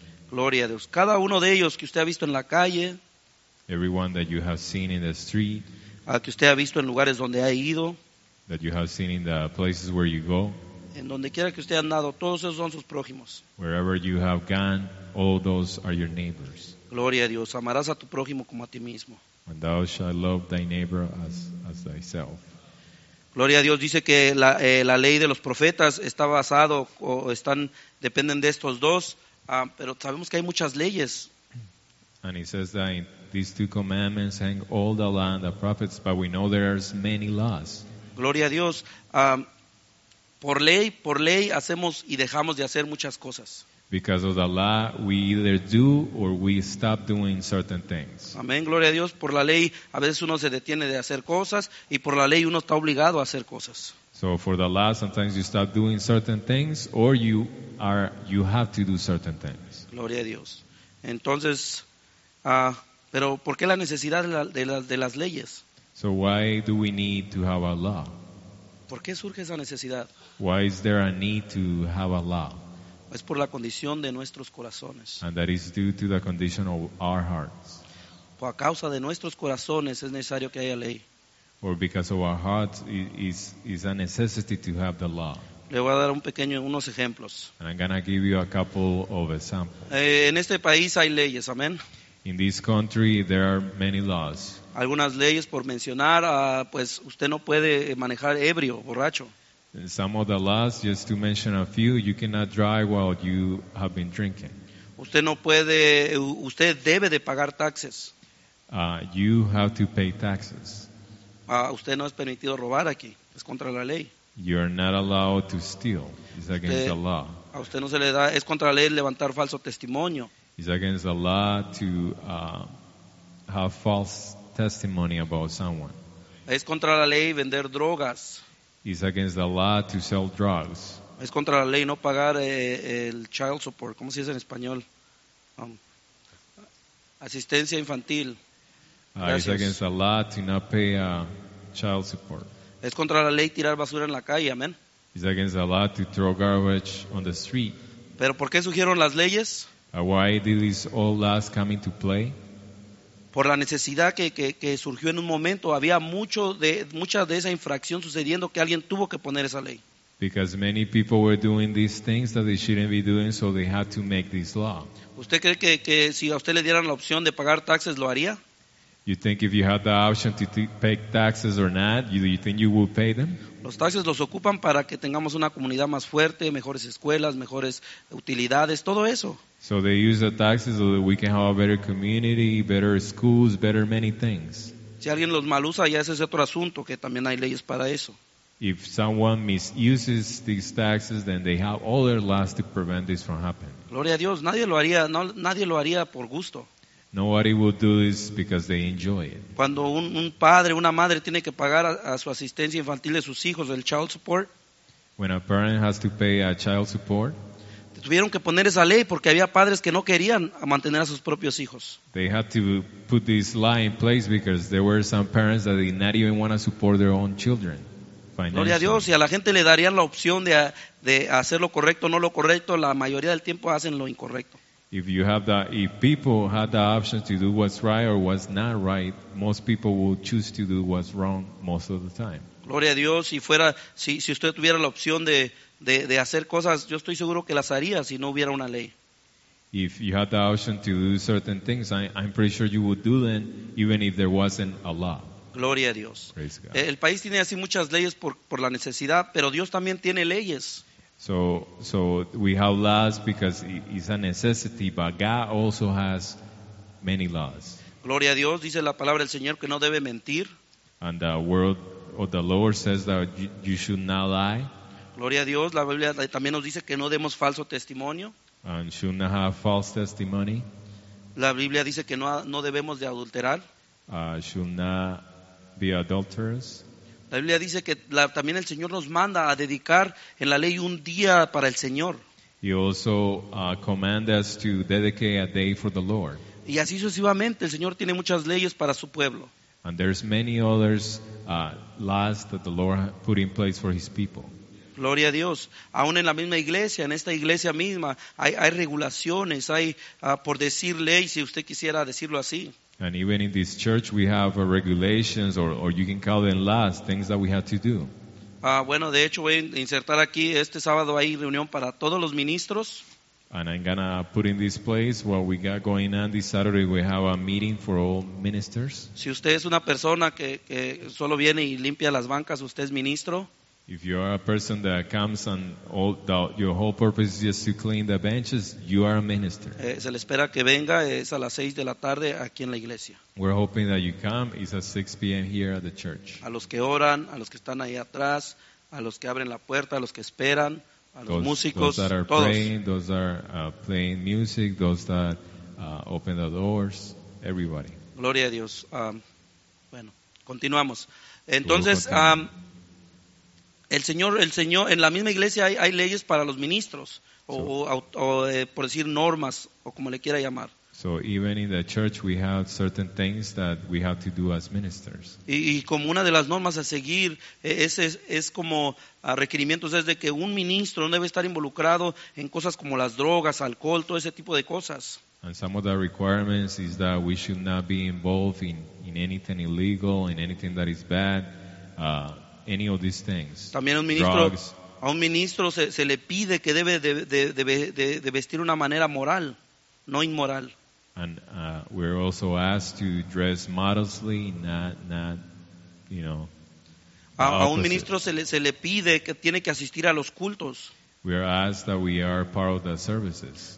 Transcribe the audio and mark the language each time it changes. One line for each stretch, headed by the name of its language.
Spanish: Gloria a Dios. Cada uno de ellos que usted ha visto en la calle.
English: Everyone that you have seen in the street.
Spanish: A que usted ha visto en lugares donde ha ido.
English: That you have seen in the places where you go.
Spanish: En donde quiera que usted ha andado, todos esos son sus prójimos.
English: Wherever you have gone, all those are your neighbors.
Spanish: Gloria a Dios. Amarás a tu prójimo como a ti mismo.
English: And thou shalt love thy neighbor as thyself.
Spanish: Gloria a Dios, dice que la ley de los profetas está basado o están dependen de estos dos, pero sabemos que hay muchas leyes.
English: And he says that in these two commandments hang all the law and the prophets, but we know there's many laws.
Spanish: Gloria a Dios, por ley hacemos y dejamos de hacer muchas cosas.
English: Because of the law, we either do or we stop doing certain things.
Spanish: Amén, gloria a Dios. Por la ley, a veces uno se detiene de hacer cosas, y por la ley uno está obligado a hacer cosas.
English: So for the law, sometimes you stop doing certain things, or you have to do certain things.
Spanish: Gloria a Dios. Entonces, pero ¿por qué la necesidad de las leyes?
English: So why do we need to have a law?
Spanish: ¿Por qué surge esa necesidad?
English: Why is there a need to have a law?
Spanish: Es por la condición de nuestros corazones.
English: And that is due to the condition of our hearts.
Spanish: Por a causa de nuestros corazones es necesario que haya ley.
English: Or because of our hearts is a necessity to have the law.
Spanish: Le voy a dar unos ejemplos.
English: And I'm going to give you a couple of examples.
Spanish: En este país hay leyes, amén.
English: In this country there are many laws.
Spanish: Algunas leyes por mencionar, pues usted no puede manejar ebrio, borracho.
English: Some of the laws, just to mention a few, you cannot drive while you have been drinking.
Spanish: Usted no puede, usted debe de pagar taxes.
English: You have to pay taxes.
Spanish: Usted no es permitido robar aquí, es contra la ley.
English: You are not allowed to steal, it's against the law.
Spanish: A usted no se le da, es contra la ley levantar falso testimonio.
English: It's against the law to have false testimony about someone.
Spanish: Es contra la ley vender drogas.
English: It's against the law to sell drugs.
Spanish: Es contra la ley no pagar el child support. ¿Cómo se dice en español? Asistencia infantil.
English: It's against the law to not pay child support.
Spanish: Es contra la ley tirar basura en la calle. Amen.
English: It's against the law to throw garbage on the street.
Spanish: ¿Pero por qué surgieron las leyes?
English: Why did these old laws come into play?
Spanish: Por la necesidad que surgió en un momento, había mucha de esa infracción sucediendo que alguien tuvo que poner esa ley.
English: Because many people were doing these things that they shouldn't be doing, so they had to make this law.
Spanish: ¿Usted cree que si a usted le dieran la opción de pagar taxes lo haría?
English: You think if you had the option to pay taxes or not, you think you would pay them?
Spanish: Los taxes los ocupan para que tengamos una comunidad más fuerte, mejores escuelas, mejores utilidades, todo eso.
English: So they use the taxes so that we can have a better community, better schools, better many things.
Spanish: Si alguien los malusa, ya ese es otro asunto, que también hay leyes para eso.
English: If someone misuses these taxes, then they have all their laws to prevent this from happening.
Spanish: Gloria a Dios, nadie lo haría, nadie lo haría por gusto.
English: Nobody will do this because they enjoy it.
Spanish: Cuando un padre, una madre tiene que pagar a su asistencia infantil de sus hijos, el child support.
English: When a parent has to pay a child support.
Spanish: Tuvieron que poner esa ley porque había padres que no querían mantener a sus propios hijos.
English: They had to put this law in place because there were some parents that did not even want to support their own children.
Spanish: Gloria a Dios, y a la gente le darían la opción de hacer lo correcto o no lo correcto, la mayoría del tiempo hacen lo incorrecto.
English: If people had the option to do what's right or what's not right, most people would choose to do what's wrong most of the time.
Spanish: Gloria a Dios, si usted tuviera la opción de hacer cosas, yo estoy seguro que las haría si no hubiera una ley.
English: If you had the option to do certain things, I'm pretty sure you would do them even if there wasn't a law.
Spanish: Gloria a Dios.
English: Praise God.
Spanish: El país tiene así muchas leyes por la necesidad, pero Dios también tiene leyes.
English: So we have laws because it's a necessity, but God also has many laws.
Spanish: Gloria a Dios, dice la palabra del Señor que no debe mentir.
English: And the word of the Lord says that you should not lie.
Spanish: Gloria a Dios, la Biblia también nos dice que no demos falso testimonio.
English: And should not have false testimony.
Spanish: La Biblia dice que no debemos de adulterar.
English: Should not be adulterers.
Spanish: La Biblia dice que también el Señor nos manda a dedicar en la ley un día para el Señor.
English: He also commands us to dedicate a day for the Lord.
Spanish: Y así sucesivamente, el Señor tiene muchas leyes para su pueblo.
English: And there's many others laws that the Lord put in place for his people.
Spanish: Gloria a Dios. Aún en la misma iglesia, en esta iglesia misma, hay regulaciones, hay por decir ley, si usted quisiera decirlo así.
English: And even in this church we have regulations or you can call them laws, things that we have to do.
Spanish: Bueno, de hecho voy a insertar aquí, este sábado hay reunión para todos los ministros.
English: And I'm gonna put in this place what we got going on this Saturday. We have a meeting for all ministers.
Spanish: Si usted es una persona que solo viene y limpia las bancas, usted es ministro.
English: If you are a person that comes and all your whole purpose is just to clean the benches, you are a minister.
Spanish: Se le espera que venga, es a las 6 de la tarde aquí en la iglesia.
English: We're hoping that you come. It's at 6 p.m. here at the church.
Spanish: A los que oran, a los que están ahí atrás, a los que abren la puerta, a los que esperan, a los músicos,
English: Those that are praying, those that are playing music, those that open the doors, everybody.
Spanish: Gloria a Dios. Bueno, continuamos. Entonces, El Señor, en la misma iglesia hay leyes para los ministros, por decir normas, o como le quiera llamar.
English: So even in the church we have certain things that we have to do as ministers.
Spanish: Y como una de las normas a seguir, es como a requerimientos, es de que un ministro no debe estar involucrado en cosas como las drogas, alcohol, todo ese tipo de cosas.
English: And some of the requirements is that we should not be involved in anything illegal, in anything that is bad, any of these things.
Spanish: También a un ministro se le pide que debe de vestir una manera moral, no inmoral.
English: And we're also asked to dress modestly, not you know.
Spanish: A un ministro se le pide que tiene que asistir a los cultos.
English: We are asked that we are part of the services.